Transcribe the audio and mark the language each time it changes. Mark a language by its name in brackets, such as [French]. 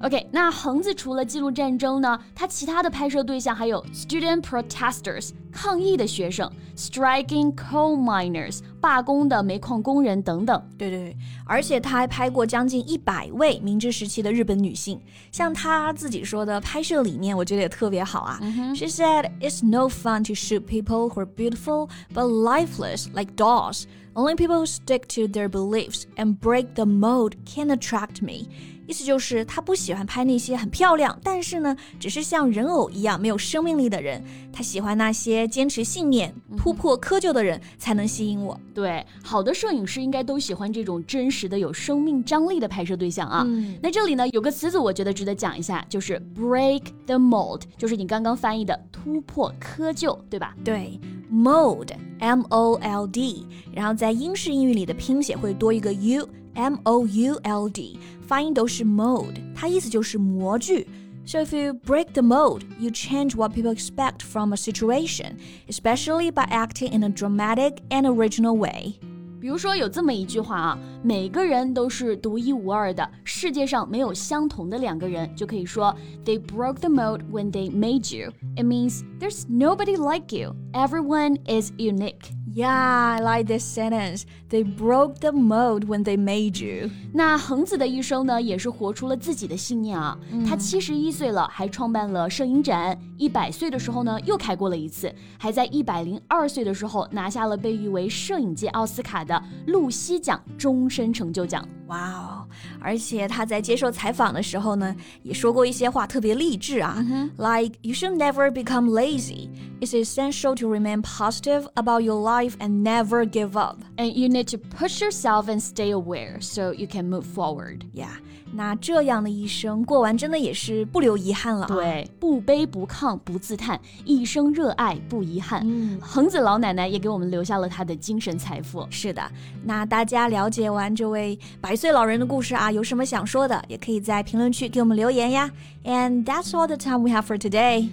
[Chinese] Okay, 那横子除了记录战争呢，他其他的拍摄对象还有 [English] student protesters, [Chinese] 抗议的学生 [English] striking coal miners, [Chinese] 罢工的煤矿工人等等。对对对，而且他还拍过将近100位明治时期的日本女性。像他自己说的拍摄理念我觉得也特别好啊。 Mm-hmm. [English] She said, it's no fun to shoot people who are beautiful, but lifeless like dolls. Only people who stick to their beliefs and break the mold can attract me. [Chinese] 意思就是他不喜欢拍那些很漂亮但是呢只是像人偶一样没有生命力的人。他喜欢那些坚持信念突破窠臼的人才能吸引我。对好的摄影师应该都喜欢这种真实的有生命张力的拍摄对象啊。嗯、那这里呢有个词组我觉得值得讲一下就是 [English] break the mold, [Chinese] 就是你刚刚翻译的突破窠臼对吧对。Mold, M-O-L-D, 然后在英式英语里的拼写会多一个 U, M-O-U-L-D, 发音都是 mold, 它意思就是模具。 [English] So if you break the mold, you change what people expect from a situation, especially by acting in a dramatic and original way. [Chinese] 比如说有这么一句话啊，每个人都是独一无二的，世界上没有相同的两个人，就可以说 [English] They broke the mold when they made you. It means there's nobody like you. Everyone is unique. Yeah, I like this sentence. They broke the mold when they made you. [Chinese] 那恒子的一生呢，也是活出了自己的信念啊。嗯、他71岁了，还创办了摄影展。100岁的时候呢，又开过了一次，还在102岁的时候拿下了被誉为摄影界奥斯卡的露西奖终身成就奖。哇哦！而且他在接受采访的时候呢，也说过一些话特别励志啊、 mm-hmm. [English] ，like you should never become lazy. It's essential to remain positive about your life and never give up. And you need to push yourself and stay aware so you can move forward. Yeah. [Chinese] 那这样的一生过完真的也是不留遗憾了、啊、对不卑不亢不自叹一生热爱不遗憾、嗯、恒子老奶奶也给我们留下了她的精神财富是的那大家了解完这位百岁老人的故事啊有什么想说的也可以在评论区给我们留言呀 [English] And that's all the time we have for today